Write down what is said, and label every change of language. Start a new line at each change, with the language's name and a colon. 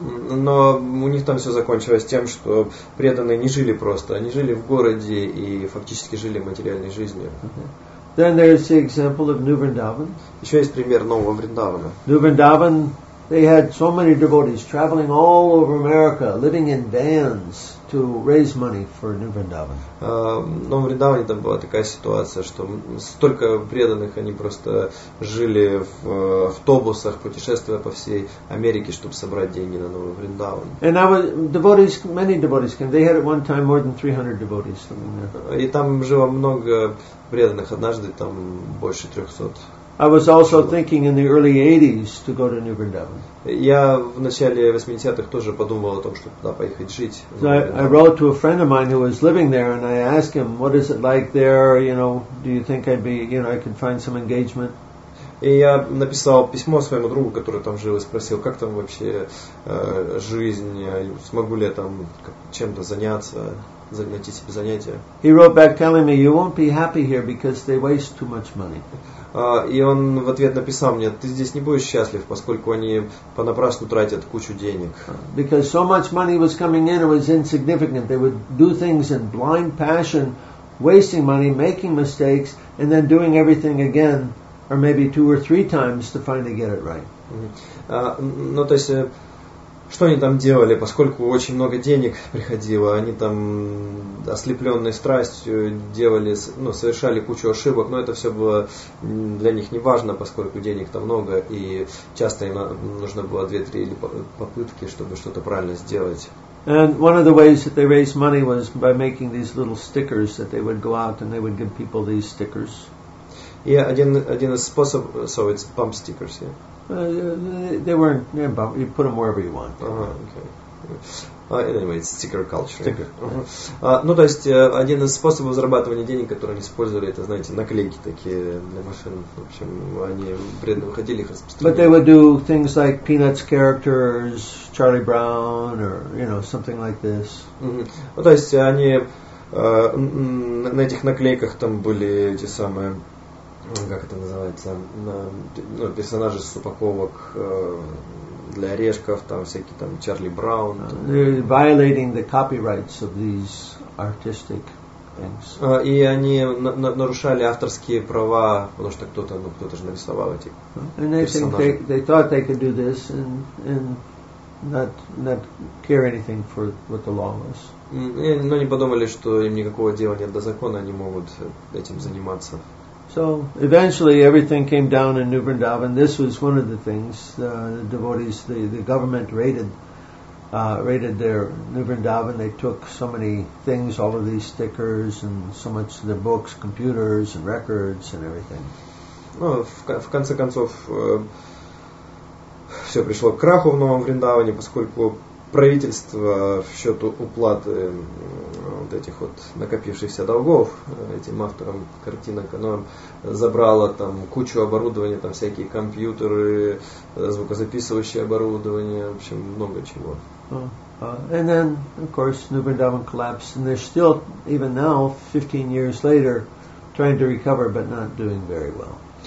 Russian: Но у них там все закончилось тем, что преданные не жили просто, они жили в городе и фактически жили материальной жизнью.
English: Then there is the example of New Vrindavan.
Russian: Еще есть пример нового Вриндавана.
English: New Vrindavan. They had so many devotees traveling all over America, living in vans to raise money for New Vrindavan.
Russian: Но в Вриндаване там была такая ситуация, что столько преданных, они просто жили в автобусах, путешествуя по всей Америке, чтобы собрать деньги на Новый Вриндаван.
English: And there were devotees, many devotees came. They had at one time more than 300 devotees living there.
Russian: И там жило много преданных. Однажды там больше 300.
English: I was also thinking in the early 80s to go to New Vrindavan.
Russian: Я в начале 80-х тоже подумывал о том, чтобы туда поехать жить.
English: So I wrote to a friend of mine who was living there and I asked him, what is it like there, you know, do you think I'd be, you know, I could find some engagement?
Russian: И я написал письмо своему другу, который там жил, и спросил, как там вообще жизнь, смогу ли я там чем-то заняться, найти себе занятие.
English: He wrote back telling me, you won't be happy here because they waste too much money.
Russian: И он в ответ написал мне, ты здесь не будешь счастлив, поскольку они понапрасну тратят кучу денег.
English: Because so much money was coming in, it was insignificant. They would do things in blind passion, wasting money, making mistakes, and then doing everything again, or maybe two or three times to finally get it right.
Russian: Ну, то есть, что они там делали, поскольку очень много денег приходило, они там ослепленной страстью делали, ну, совершали кучу ошибок, но это все было для них не важно, поскольку денег там много, и часто им нужно было 2-3 попытки, чтобы что-то правильно сделать.
English: And one of the ways that they raised money was by making these little stickers, that they would go out and they would give people these stickers.
Russian: И один из способов,
English: so it's bump stickers, yeah. They weren't, yeah, you put them wherever you want. Okay. Anyway, it's sticker culture. Sticker.
Russian: Ну, то есть, один из способов зарабатывания денег, который они использовали, это, знаете, наклейки такие для машин. В общем, они преданно выходили, их распространяли.
English: But they would do things like Peanuts characters, Charlie Brown, or, you know, something like this.
Russian: Ну, то есть, они на этих наклейках там были эти самые... Как это называется? Ну, персонажи с упаковок для орешков, там всякие там Чарли Браун.
English: Violating the copyrights of these artistic things.
Russian: И они нарушали авторские права, потому что кто-то, ну, кто-то же нарисовал эти персонажи.
English: And they thought they could do this and not care anything for what the law was.
Russian: Но они подумали, что им никакого дела нет до закона, они могут этим заниматься.
English: So eventually everything came down in New Vrindavan. This was one of the things the devotees, the government raided their New Vrindavan. They took so many things, all of these stickers and so much of their books, computers and records and everything.
Russian: Ну, в конце концов все пришло к краху в Новом Вриндаване, поскольку правительство в счет уплаты вот этих вот накопившихся долгов этим авторам картинок, оно забрало там кучу оборудования, там всякие компьютеры, звукозаписывающее оборудование, в общем, много чего.
English: And then, of course, New Vrindavan collapsed, and they're still, even now, 15 years later, trying to recover, but not doing very well.